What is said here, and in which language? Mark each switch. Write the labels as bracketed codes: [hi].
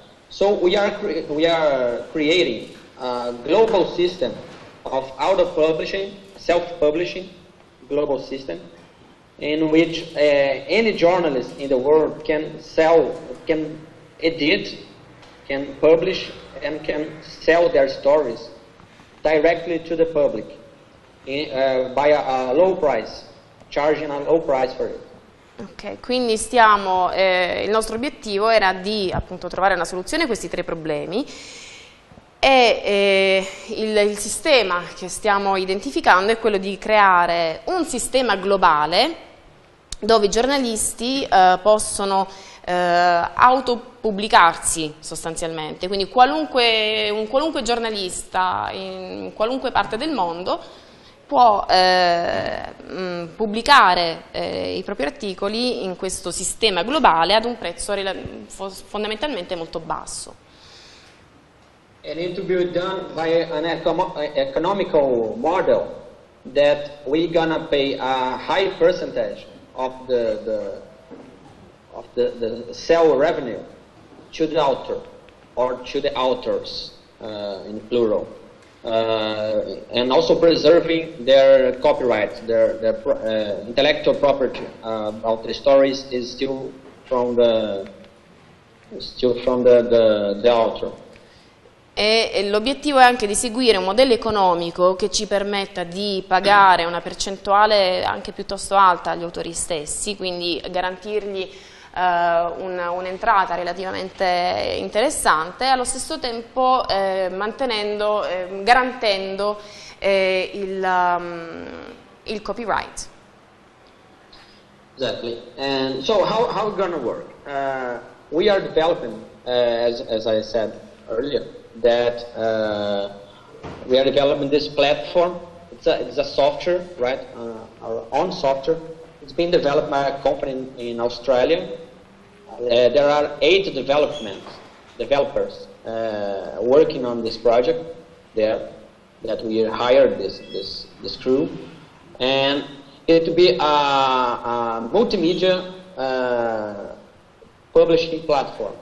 [en] So we are creating a global system of auto publishing, self publishing, global system, in which any journalist in the world can sell, can edit, can publish, and can sell their stories directly to the public. By a low price, charging a low price for it. [it] Ok, quindi stiamo, il nostro obiettivo era di appunto trovare una soluzione a questi tre problemi e il sistema che stiamo identificando è quello di creare un sistema globale dove i giornalisti possono autopubblicarsi sostanzialmente, quindi un qualunque giornalista in qualunque parte del mondo può pubblicare i propri articoli in questo sistema globale ad un prezzo fondamentalmente molto basso. [en] An interview done by an economical model that we gonna pay a high percentage of the sale revenue to the author or to the authors in plural. And also preserving their copyright, their intellectual property about the stories is still from the author. [it] E l'obiettivo è anche di seguire un modello economico che ci permetta di pagare una percentuale anche piuttosto alta agli autori stessi, quindi garantirgli un'entrata relativamente interessante, allo stesso tempo garantendo il copyright. [en] Exactly. And so how it gonna work? We are developing, as I said earlier, that we are developing this platform. It's a software, right? Our own software. It's been developed by a company in Australia. There are 8 developers working on this project there, that we hired this crew, and it will be a multimedia publishing platform.